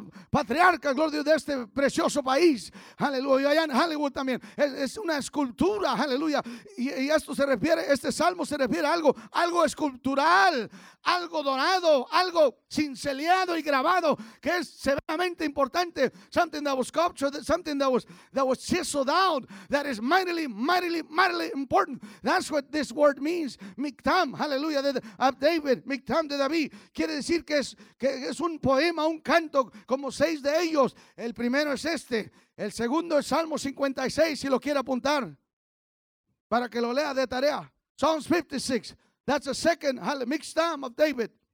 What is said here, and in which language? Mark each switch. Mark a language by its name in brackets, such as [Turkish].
[Spanish] patriarcas, gloria a Dios, de este precioso país, aleluya, y allá en Hollywood también, es una escultura, aleluya, y esto se refiere, este salmo se refiere a algo escultural, algo dorado, algo cinceleado y grabado, que es severamente importante. [English] Something that was sculptured, something that was chiseled out, that is mightily, mightily, mightily important. That's what this word means. Miktam, hallelujah, of David. [Spanish] Miktam de David. Quiere decir que es un poema, un canto, como seis de ellos. El primero es este. El segundo es Salmo 56, si lo quiere apuntar, para que lo lea de tarea. [English] Psalms 56. That's the second Miktam of David.